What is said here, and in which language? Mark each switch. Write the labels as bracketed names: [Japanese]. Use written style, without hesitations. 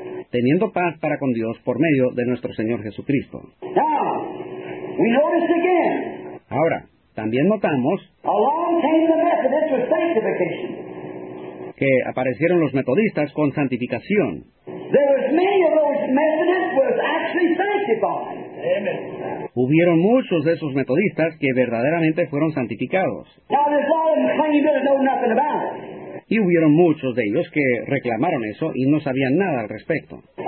[Spanish] Teniendo paz para con Dios por medio de nuestro Señor Jesucristo. [English] Now, we notice again, [Spanish] ahora, también notamos [English] along came the Methodists with sanctification. [Spanish] Que aparecieron los metodistas con santificación. [English] There was many of those Methodists was actually sanctified. Amen. [Spanish] Hubieron muchos de esos metodistas que verdaderamente fueron santificados. [English] Now, there's a lot of them claiming they know nothing about it. [Spanish] Y hubieron muchos de ellos que reclamaron eso y no sabían nada al respecto.